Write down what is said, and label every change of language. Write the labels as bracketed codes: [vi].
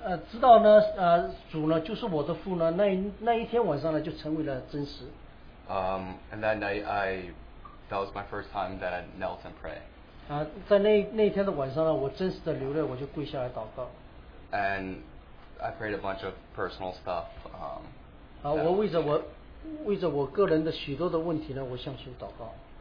[zh] 知道呢，主呢就是我的父呢，那一天晚上呢就成为了真实。 [en] And that night, that was my first time that I knelt and prayed. [zh] 在那天的晚上呢，我真实的流泪，我就跪下来祷告。 [en] And I prayed a bunch of personal stuff. [zh] 我为着我个人的许多的问题呢，我向神祷告。